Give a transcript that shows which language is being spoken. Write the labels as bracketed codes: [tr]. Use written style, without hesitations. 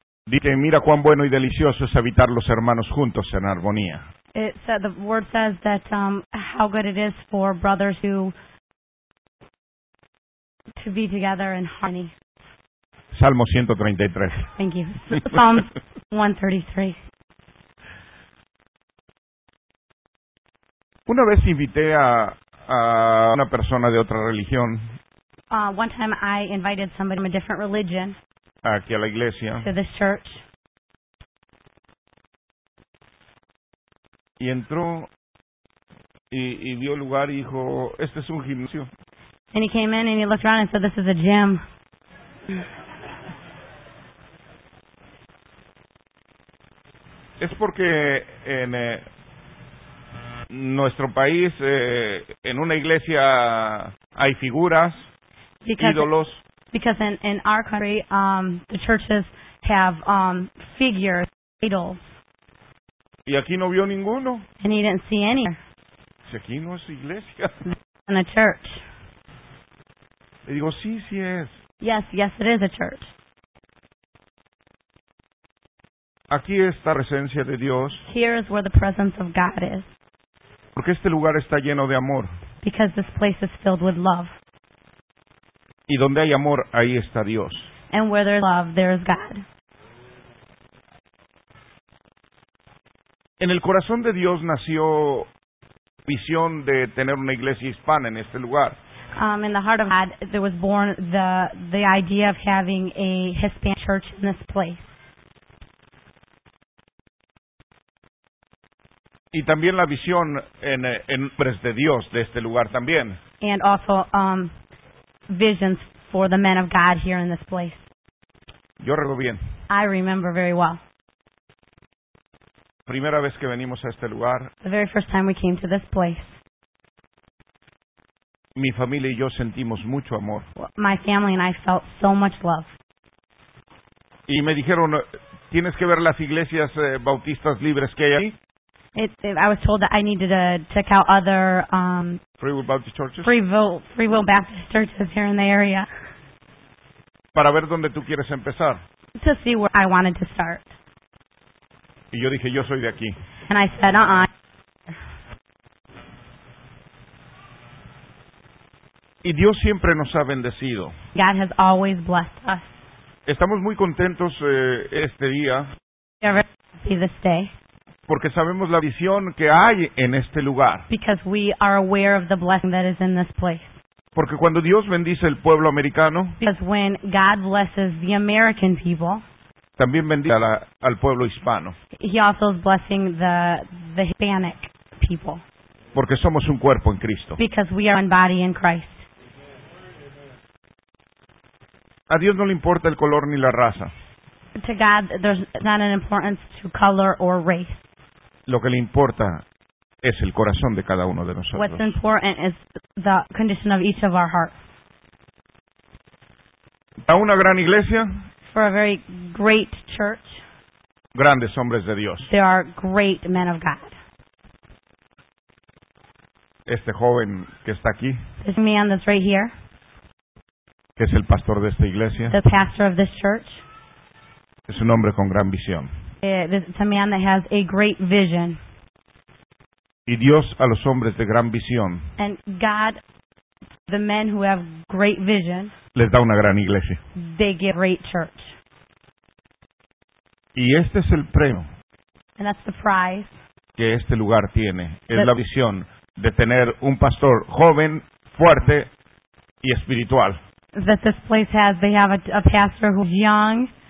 [es] Dice, mira cuán bueno y delicioso es habitar los hermanos juntos en armonía. [en] It said, the word says that how good it is for brothers to be together in harmony. [es] Salmo 133. [en] Thank you. Psalms 133. [es] Una vez invité a una persona de otra religión. [en] One time I invited somebody from a different religion. [es] Aquí a la iglesia. [en] To this church. [es] Y entró y vio el lugar y dijo, este es un gimnasio. [en] And he came in and he looked around and said, this is a gym. [es] Es porque en nuestro país, en una iglesia hay figuras, [en] because, [es] ídolos. [en] Because in our country, the churches have figures, idols. [es] Y aquí no vio ninguno. [en] And he didn't see any. [es] Si aquí no es iglesia. [en] In a church. [es] Y digo, sí, sí es. [en] Yes, yes, it is a church. [es] Aquí está la presencia de Dios. [en] Here is where the presence of God is. [es] Porque este lugar está lleno de amor. [en] Because this place is filled with love. [es] Y donde hay amor, ahí está Dios. [en] And where there is love, there is God. [es] En el corazón de Dios nació visión de tener una iglesia hispana en este lugar. [en] In the heart of God, there was born the idea of having a Hispanic church in this place. [es] Y también la visión en hombres de Dios de este lugar también. [en] And also visions for the men of God here in this place. [es] Yo recuerdo bien. [en] I remember very well. [es] Primera vez que venimos a este lugar. [en] The very first time we came to this place. [es] Mi familia y yo sentimos mucho amor. [en] My family and I felt so much love. [es] Y me dijeron, tienes que ver las iglesias bautistas libres que hay ahí. [en] I was told that I needed to check out other Free Will Baptist churches. Free Will Baptist churches here in the area. [es] Para ver dónde tú quieres empezar. [en] To see where I wanted to start. [es] Y yo dije, yo soy de aquí. [en] And I said, uh-uh. [es] Y Dios siempre nos ha bendecido. [en] God has always blessed us. [es] Estamos muy contentos este día. [en] We are very happy this day. [es] Porque sabemos la visión que hay en este lugar. [en] Because we are aware of the blessing that is in this place. [es] Porque cuando Dios bendice el pueblo americano, [en] because when God blesses the American people, [es] También bendice al pueblo hispano. [en] He also is blessing the Hispanic people. [es] Porque somos un cuerpo en Cristo. [en] Because we are one body in Christ. [es] A Dios no le importa el color ni la raza. [en] To God, there's not an importance to color or race. [es] Lo que le importa es el corazón de cada uno de nosotros. [en] What's important is the condition of each of our hearts. [es] A una gran iglesia. [en] For a very great church. [es] Grandes hombres de Dios. [en] There are great men of God. [es] Este joven que está aquí. [en] This man that's right here. [es] Que es el pastor de esta iglesia. [en] The pastor of this church. [es] Es un hombre con gran visión. [en] It's a man that has a great vision. [es] Y Dios a los hombres de gran visión. [en] And God, the men who have great vision. [es] Les da una gran iglesia. [en] They give great church. [es] Y este es el premio. [en] And that's the prize. [es] Que este lugar tiene. Es la visión de tener un pastor joven, fuerte y espiritual. [en] That this place has, they have a pastor who's young.